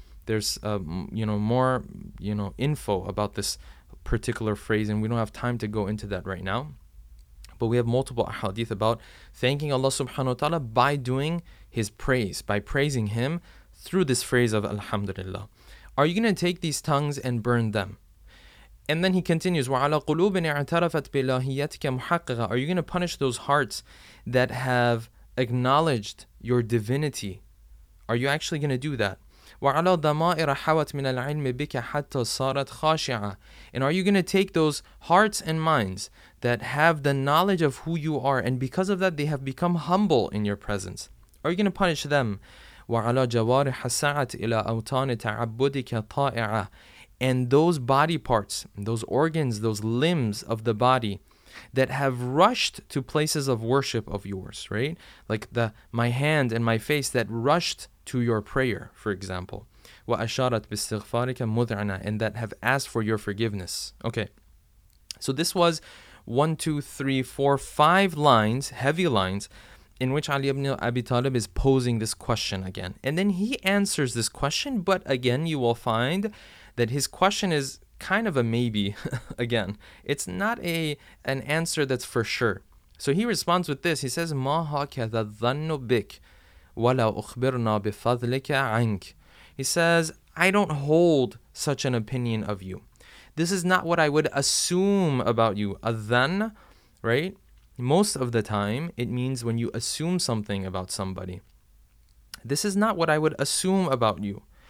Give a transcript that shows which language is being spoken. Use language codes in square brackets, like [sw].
[en] There's more info about this particular phrase, and we don't have time to go into that right now. But we have multiple ahadith about thanking Allah subhanahu wa ta'ala by doing His praise, by praising Him through this phrase of Alhamdulillah. Are you going to take these tongues and burn them? And then he continues, [ar] وَعَلَى قُلُوبٍ اعْتَرَفَتْ بِإِلَهِيَّتِكَ مُحَقِّقًا. [en] Are you going to punish those hearts that have acknowledged your divinity? Are you actually going to do that? [ar] وَعَلَى ضَمَائِرَ حَوَتْ مِنَ الْعِلْمِ بِكَ حَتَّى صَارَتْ خَاشِعًا. [en] And are you going to take those hearts and minds that have the knowledge of who you are, and because of that they have become humble in your presence? Are you going to punish them? [ar] وعلى جوارح سعت إلى أوتان تعبدك طائعة. [en] And those body parts, those organs, those limbs of the body that have rushed to places of worship of yours, right? Like the my hand and my face that rushed to your prayer, for example. [ar] وَأَشَارَتْ بِاسْتِغْفَارِكَ مُذْعَنَا, [en] and that have asked for your forgiveness. Okay, so this was 1, 2, 3, 4, 5 lines, heavy lines, in which Ali ibn Abi Talib is posing this question again. And then he answers this question, but again, you will find that his question is kind of a maybe. Again, it's not an answer that's for sure. So he responds with this. He says, [ar] مَا هَكَذَا ظَنُّ بِكَ وَلَوْ أُخْبِرْنَا بِفَضْلِكَ عَنْكَ. [en] He says, I don't hold such an opinion of you. This is not what I would assume about you. A then, right? Most of the time, it means when you assume something about somebody. This is not what I would assume about you.